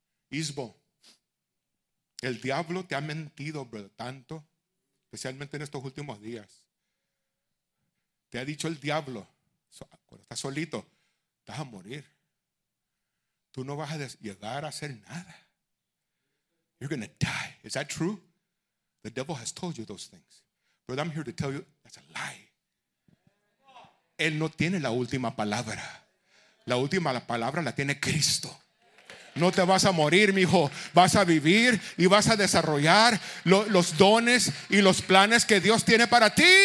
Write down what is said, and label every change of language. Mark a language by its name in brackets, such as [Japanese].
[Spanish] Isbo, el diablo te ha mentido, bro, tanto. Especialmente en estos últimos días. Te ha dicho el diablo. Cuando estás solito, estás a morir. Tú no vas a llegar a hacer nada. [English] You're going to die. Is that true? The devil has told you those things. But I'm here to tell you, that's a lie. [Spanish] Él no tiene la última palabra. La última palabra la tiene Cristo. No te vas a morir, mijo. Vas a vivir y vas a desarrollar los dones y los planes que Dios tiene para ti.